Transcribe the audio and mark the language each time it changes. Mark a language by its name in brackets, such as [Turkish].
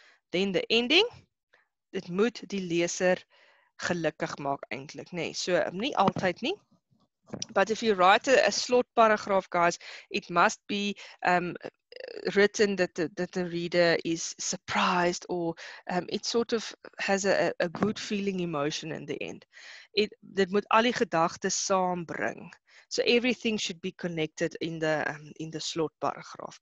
[English] Then the ending, [Afrikaans] dit moet die leser gelukkig maak eintlik, nee. So nie altyd nie. [English] But if you write a slot paragraph, guys, it must be written that the reader is surprised or it sort of has a good feeling emotion in the end. [Afrikaans] Dit moet al die gedagtes saambring. [English] So everything should be connected in the slot paragraph.